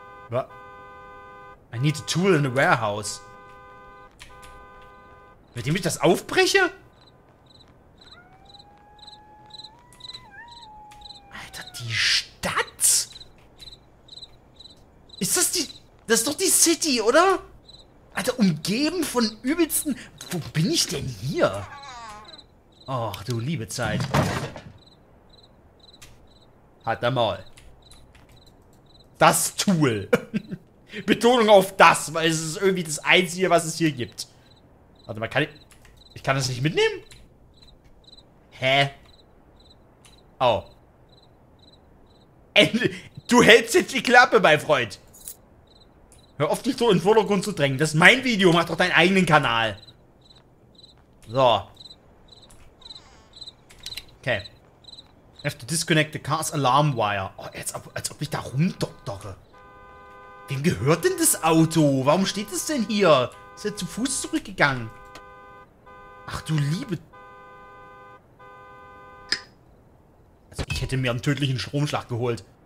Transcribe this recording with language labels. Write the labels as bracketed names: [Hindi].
[English] What? I need a tool in the warehouse. [German] Mit dem ich das aufbreche? Alter, die Stadt? Ist das die... Das ist doch die City, oder? Alter, umgeben von übelsten... Wo bin ich denn hier? Ach, du liebe Zeit. Halt da mal. Das Tool. Betonung auf das, weil es ist irgendwie das Einzige, was es hier gibt. Warte mal, kann ich... Ich kann das nicht mitnehmen? Hä? Oh. Du hältst jetzt die Klappe, mein Freund. Hör auf, dich so in den Vordergrund zu drängen. Das ist mein Video. Mach doch deinen eigenen Kanal. So. Okay. [English] Have to disconnect the car's alarm wire. [German] Oh, als ob ich da rumdoktere. Wem gehört denn das Auto? Warum steht es denn hier? Ist er zu Fuß zurückgegangen? Ach du liebe... Also ich hätte mir einen tödlichen Stromschlag geholt.